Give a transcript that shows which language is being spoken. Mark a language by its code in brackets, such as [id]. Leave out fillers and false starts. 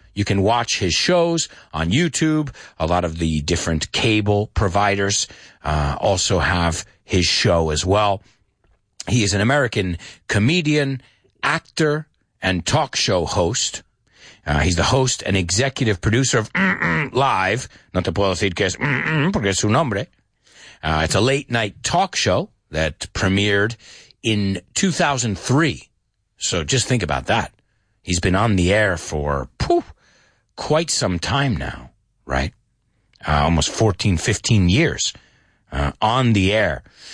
[en] You can watch his shows on YouTube. A lot of the different cable providers also have his show as well. He is an American comedian, actor, and talk show host. He's the host and executive producer of Live. [es] No te puedo decir que es porque es su nombre. [en] It's a late night talk show that premiered in 2003. So just think about that. He's been on the air for quite some time now, right? Almost 14, 15 years on the air.